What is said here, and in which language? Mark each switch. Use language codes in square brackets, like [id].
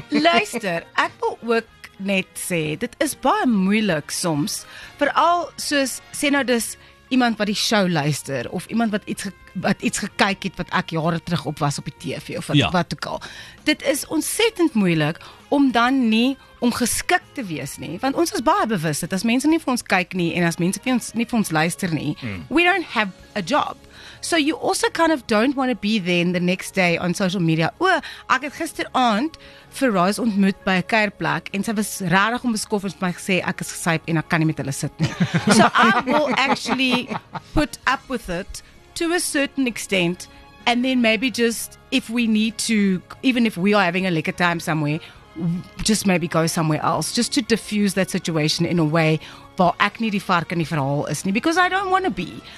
[af] Luister, ek wil ook net sê, dit is baie moeilik soms, vooral soos sê nou dis iemand wat die show luister, of iemand wat iets gekyk het wat ek jare terug op was op die TV, of wat ook al. Dit is ontsettend moeilik om dan nie ongeskik te wees nie, want ons is baie bewus dat as mense nie vir ons kyk nie, en as mense nie vir ons luister nie, [en] we don't have a job. So you also kind of don't want to be then the next day on social media. [af] Oh, ek het gisteraand vir Roz ontmoet by 'n kuierplek en sy was rarig om beskof en my gesê ek is gesyp en ek kan nie met hulle sit nie. [en] So I will actually put up with it to a certain extent, and then maybe just if we need to, even if we are having a liquor time somewhere, just maybe go somewhere else just to diffuse that situation in a way [af] waar ek nie die vark in die verhaal is nie, [en] because I don't want to be.